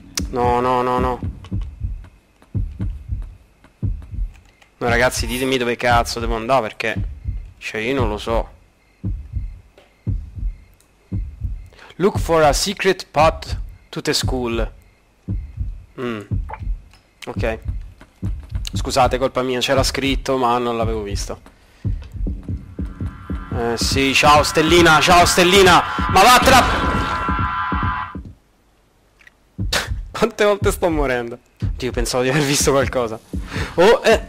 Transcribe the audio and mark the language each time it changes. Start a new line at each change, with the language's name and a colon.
Italian: No, no, no, no. No, ragazzi, ditemi dove cazzo devo andare, perché... Cioè, io non lo so.
English: Look for a secret path to the school.
Italian: Ok. Scusate, colpa mia, c'era scritto, ma non l'avevo visto. Sì, ciao, Stellina, ciao, Stellina. Ma va tra... Quante volte sto morendo? Dio, pensavo di aver visto qualcosa. Oh,